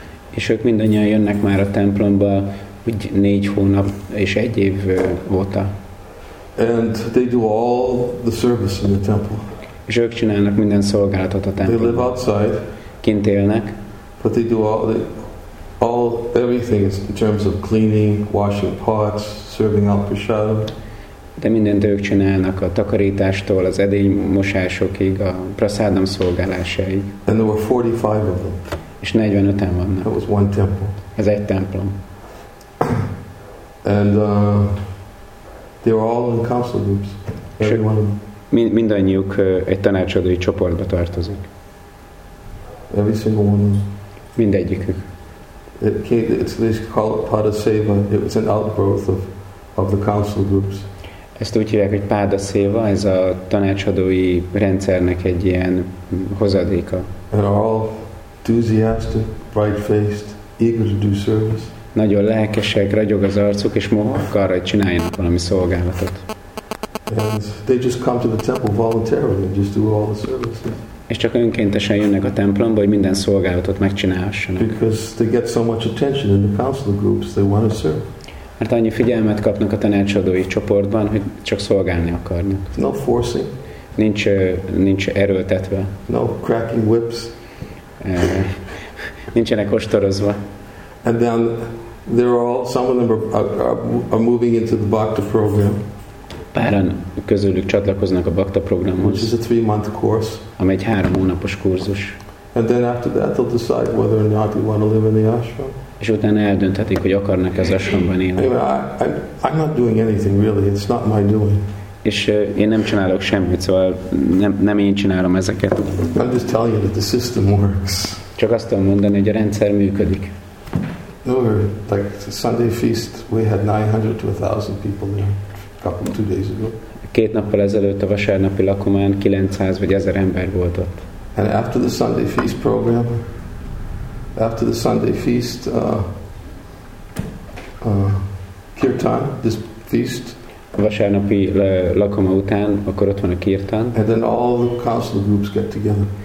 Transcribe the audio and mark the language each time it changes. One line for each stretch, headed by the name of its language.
Hungarian: És ők mindannyian jönnek már a templomba, úgy 4 hónap és 1 év óta.
English: And they do all the service in the temple.
Hungarian: És ők csinálnak minden szolgálatot a templomba.
English: They live outside.
Hungarian: Kint élnek.
English: But they do all everything in terms of cleaning, washing pots, serving out prasadam.
Hungarian: De mindent ők csinálnak, a takarítástól, az edénymosásokig, a prasadam szolgálásáig.
English: And there were 45 of them.
Hungarian: És 45-en vannak.
English: That was one temple.
Hungarian: Ez egy templom.
English: And they were all in council groups. Every one of them.
Hungarian: Mindannyiuk egy tanácsadói csoportba tartozik.
English: Every single one of them.
Hungarian: Mindegyikük.
English: It's called Padaseva. It was an outgrowth of the council groups.
Hungarian: Ezt úgy hívják, hogy Padaseva, ez a tanácsadói rendszernek egy ilyen hozadéka.
English: And all enthusiastic, bright-faced, eager to do service.
Hungarian: Nagyon lelkesek, ragyog az arcuk, és mohawk arra, hogy csináljanak valami szolgálatot.
English: And they just come to the temple voluntarily and just do all the services.
Hungarian: És csak önkéntesen jönnek a templomba, hogy minden szolgálatot megcsinálhassanak.
English: Because they get so much attention in the council groups, they want to serve.
Hungarian: Mert annyi figyelmet kapnak a tanácsadói csoportban, hogy csak szolgálni akarnak.
English: No forcing.
Hungarian: Nincs erőltetve.
English: No cracking whips.
Hungarian: Nincsenek ostorozva.
English: And then there are all, some of them are moving into the Bhakta program.
Hungarian: Páran közülük csatlakoznak a Bhakta programhoz.
English: Which is a 3-month course.
Hungarian: Ami egy 3 hónapos kurzus.
English: And then after that they'll decide whether or not they want to live in the ashram.
Hungarian: És utána eldönthetik, hogy akarnak az ashramban élni.
English: I'm not doing anything really. It's not my doing.
Hungarian: És én nem csinálok semmit, szóval nem én csinálom ezeket.
English: I'm just telling you that the system works.
Hungarian: Csak azt tudom mondani, hogy a rendszer működik.
English: Like the Sunday feast, we had 900 to 1,000 people there two days ago.
Hungarian: 2 nappal ezelőtt a vasárnapi lakomán 900 vagy 1000 ember volt ott.
English: And after the Sunday feast program, after the Sunday feast, kirtan, this feast.
Hungarian: A vasárnapi lakoma után, akkor ott van a kirtan.
English: And then all the council groups get together.